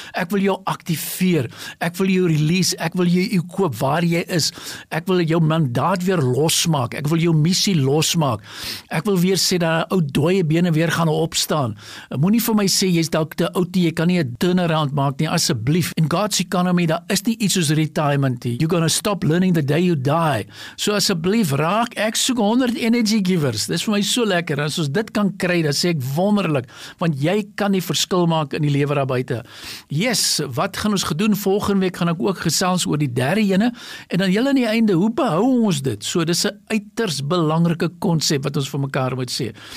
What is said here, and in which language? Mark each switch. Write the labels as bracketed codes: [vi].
[af] Ek wil jou aktiveer. Ek wil jou release. Ek wil jou koop waar jy is. Ek wil jou mandaat weer losmaak. Ek wil jou missie losmaak. Ek wil weer sê dat 'n ou dooie bene weer gaan opstaan. Moenie vir my sê jy's dalk te oud, jy kan nie 'n turnaround maak nie, asseblief. [en] In God's economy, [af] daar is nie iets soos retirement nie. [en] You're gonna stop learning the day you die. [af] So asseblief raak, ek soek 100 energy givers. Dis vir my so lekker. As ons dit kan kry, dan sê ek wonderlik, want jy kan die verskil maak in die lewe daar buite. Yes, wat gaan ons gedoen? Volgende week gaan ek ook gesels oor die derde ene en dan heel aan die einde, hoe behou ons dit? So, dis 'n uiters belangrike konsep wat ons vir mekaar moet sê.